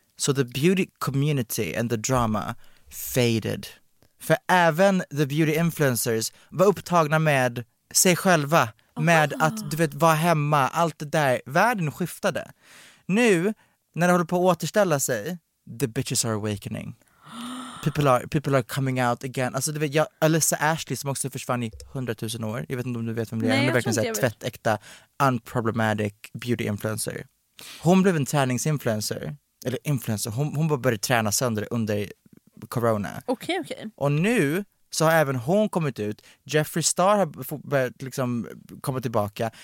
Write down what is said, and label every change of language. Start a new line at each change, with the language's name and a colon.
English: So the beauty community and the drama faded.
Swedish: För även the beauty influencers var upptagna med sig själva. Med att, du vet, vara hemma. Allt det där. Världen skiftade. Nu, när det håller på att återställa sig...
English: The bitches are awakening. People are coming out again.
Swedish: Alltså, du vet, jag, Alyssa Ashley som också försvann i 100,000 år. Jag vet inte om du vet vem det är. Nej, hon är verkligen tvättäkta, unproblematic beauty influencer. Hon blev en träningsinfluencer. Eller influencer. Hon bara började träna sönder under corona. Okej. Och nu så har även hon kommit ut. Jeffrey Star har börjat liksom komma tillbaka.